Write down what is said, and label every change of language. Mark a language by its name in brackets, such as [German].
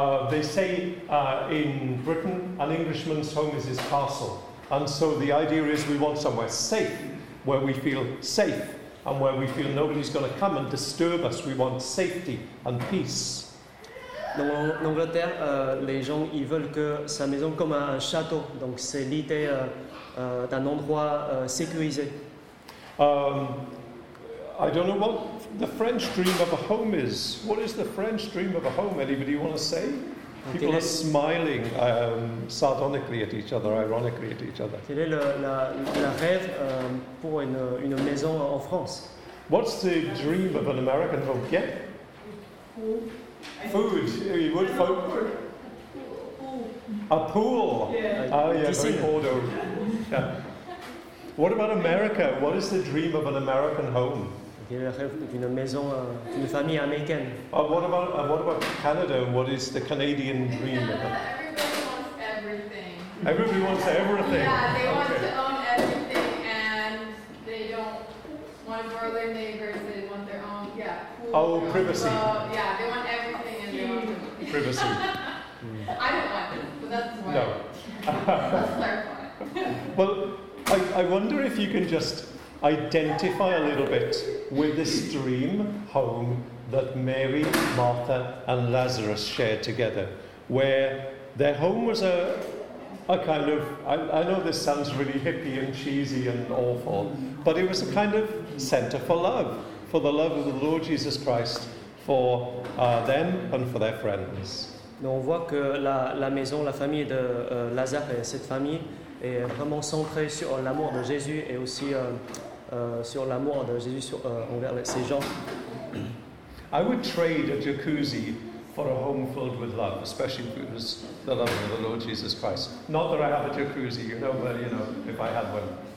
[English] They say in Britain, an Englishman's home is his castle. And so the idea is we want somewhere safe, where we feel safe, and where we feel nobody's going to come and disturb us. We want safety and peace. [French] Donc en Angleterre, les gens ils veulent que sa maison comme un château. Donc c'est l'idée d'un endroit sécurisé. [English] I don't know what the French dream of a home is. What is the French dream of a home? Anybody want to say? People are smiling sardonically at each other, ironically at each other. [French] Quel est le rêve pour une maison en France? [English] What's the dream of an American home? Yeah? Food. Food. Food. A pool. Yeah. Oh, yeah, very cold. Yeah. What about America? What is the dream of an American home? [French] D'une maison, d'une famille américaine. [English] What about Canada? What is the Canadian dream? Canada, everybody wants everything. Everybody wants everything. Yeah, they want to own everything, and they don't want for their neighbors. They want their own. Yeah. Pool, oh, their own privacy. Club. Yeah, they want everything, and they want them. Privacy. I don't want this, but that's why. No. Let's clarify. Well, I wonder if you can just identify a little bit with this dream home that Mary, Martha, and Lazarus shared together, where their home was a kind of, I know this sounds really hippie and cheesy and awful, but it was a kind of center for love, for the love of the Lord Jesus Christ, for them and for their friends. [French] Donc on voit que la maison, la famille de Lazare, cette famille, est vraiment centrée sur l'amour de Jésus et aussi sur l'amour de Jésus envers ces gens. [English] I would trade a jacuzzi for a home filled with love, especially if it was the love of the Lord Jesus Christ. Not that I have a jacuzzi, you know, but you know, if I had one.